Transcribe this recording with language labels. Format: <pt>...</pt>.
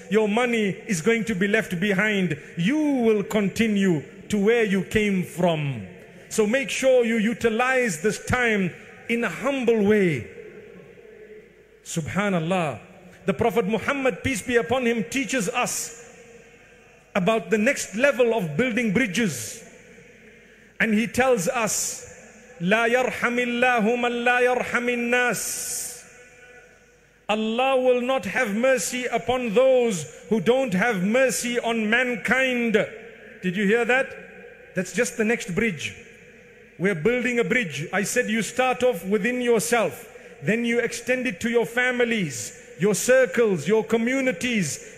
<en>Your money is going to be left behind. You will continue to where you came from. So make sure you utilize this time in a humble way. Subhanallah. The Prophet Muhammad, peace be upon him, teaches us about the next level of building bridges. And he tells us,</en> <ar>لَا يَرْحَمِ اللَّهُ مَنْ لَا يَرْحَمِ النَّاسِ.</ar> <en>Allah will not have mercy upon those who don't have mercy on mankind. Did you hear that? That's just the next bridge. We're building a bridge. I said you start off within yourself. Then you extend it to your families, your circles, your communities.</en>